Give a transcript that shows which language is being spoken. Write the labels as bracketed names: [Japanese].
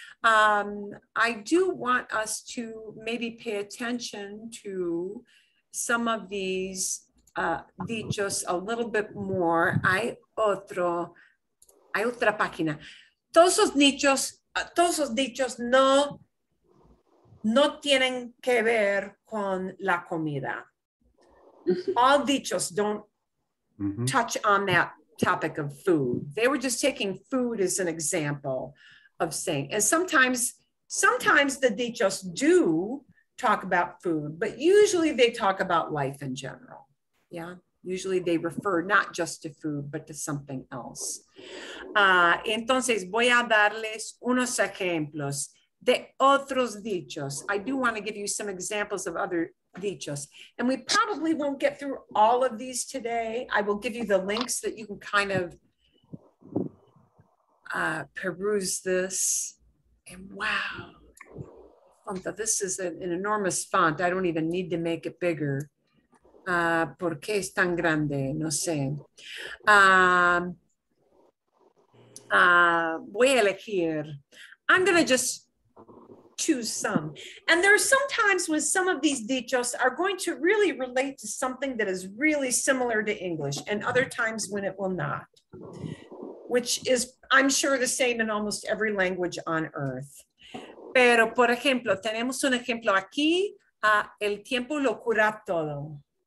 [English] I do want us to maybe pay attention to some of these dichos a little bit more. [Spanish] Hay otra página. Todos los dichos todos los dichos no tienen que ver con la comida. [English] All dichos don't touch on that topic of food. They were just taking food as an example of saying, and sometimes the dichos do talk about food, but usually they talk about life in general. Yeah. Usually they refer not just to food, but to something else. [Spanish] Entonces voy a darles unos ejemplos de otros dichos. [English] I do want to give you some examples of other dichos. And we probably won't get through all of these today. I will give you the links that you can kind of peruse this. And wow, Fanta, this is an enormous font. I don't even need to make it bigger. [Spanish] ¿Por qué es tan grande? No sé. Voy a elegir. [English] I'm going to just choose some. And there are some times when some of these dichos are going to really relate to something that is really similar to English, and other times when it will not, which is, I'm sure, the same in almost every language on earth. [Spanish] Pero, por ejemplo, tenemos un ejemplo aquí, el tiempo lo cura todo.